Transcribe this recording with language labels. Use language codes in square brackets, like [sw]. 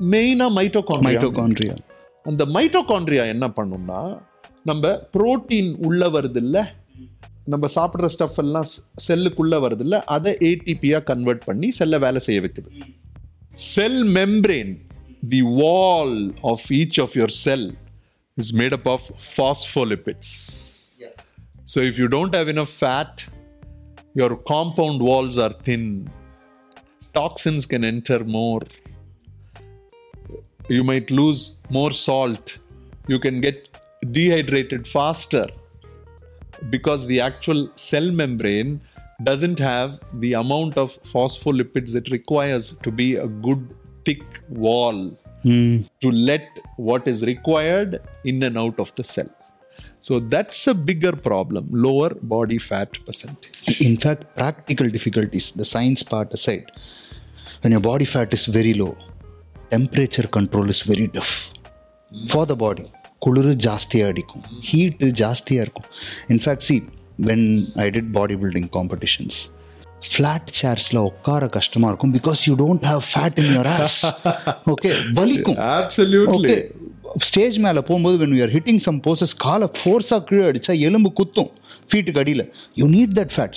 [ta] மெயினாக மைட்டோகாண்ட்ரியா. அந்த மைட்டோகாண்ட்ரியா என்ன பண்ணும்னா, நம்ம ப்ரோட்டீன் உள்ள வருதில்லை, நம்ம சாப்பிட்ற ஸ்டஃப் எல்லாம் செல்லுக்குள்ளே வருதில்லை, அதை ஏடிபியாக கன்வெர்ட் பண்ணி செல்லை வேலை செய்ய வைக்குது. [en] Cell membrane, the wall of each of your cell is made up of phospholipids. Yeah. So if you don't have enough fat, your compound walls are thin. Toxins can enter more. You might lose more salt. You can get dehydrated faster because the actual cell membrane doesn't have the amount of phospholipids it requires to be a good thick wall. To let what is required in and out of the cell. So that's a bigger problem, lower body fat percentage. In fact, practical difficulties, the science part aside, when your body fat is very low, temperature control is very tough for the body. [ta] Kulur jaastiya adikum, heat jaastiya irukum. [en] In fact, see, when I did bodybuilding competitions, [ta] flat சேர்ஸில் உட்கார கஷ்டமாக இருக்கும், [en] Because you don't have fat in your ass. Okay, [ta] வலிக்கும். [en] Absolutely. [ta] Stage மேலே போகும்போது [en] when you are hitting some poses [ta] காலை ஃபோர்ஸாக கீழே அடித்தா எலும்பு குத்தும் ஃபீட்டுக்கு அடியில். [en] You need that fat.